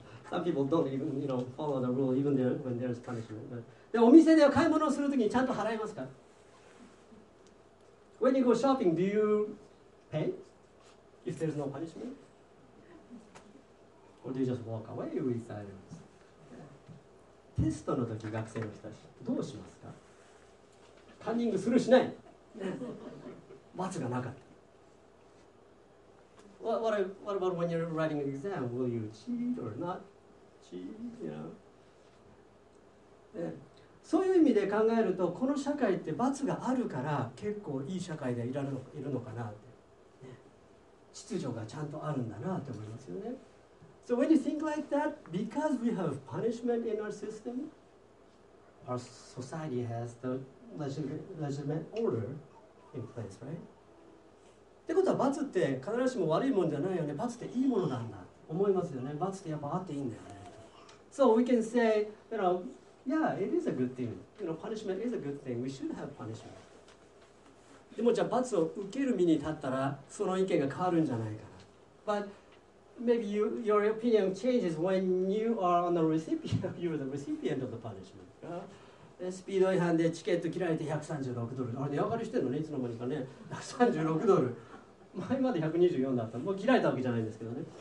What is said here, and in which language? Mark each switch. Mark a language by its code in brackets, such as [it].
[en] Some people don't even, you know, follow the rule even there, when there's punishment. [ja] でお店では買い物をするときにちゃんと払いますか？ [en] When you go shopping, do you pay if there's no punishment? Or do you just walk away with silence [ja] テストの時、学生の人たち、どうしますか？カンニングするしない罰がなかった。 [en] What about when you're writing an exam? Will you cheat or not? Cheat, you know? [ja] そういう意味で考えると、この社会って罰があるから結構いい社会でいるのかなって、ね、秩序がちゃんとあるんだなって思いますよね。 [en] So when you think like that, because we have punishment in our system, our society has the legitimate order in place, right? [ja] ってことは罰って必ずしも悪いもんじゃないよね。罰っていいものなんだ。思いますよね。罰ってやっぱあっていいんだよね。 [en] So we can say, you know, yeah, it is a good thing. You know, punishment is a good thing. We should have punishment. [ja] でもじゃあ罰を受ける身に立ったらその意見が変わるんじゃないかな。 [en] ButMaybe your opinion changes when you are on the recipient. You're the recipient of the punishment. [ja] スピード違反でチケット切られて$136 ドル。あれ値上がりしてるのね、いつの間にかね。 $136ドル。前まで124だった。もう切られたわけじゃないんですけどね。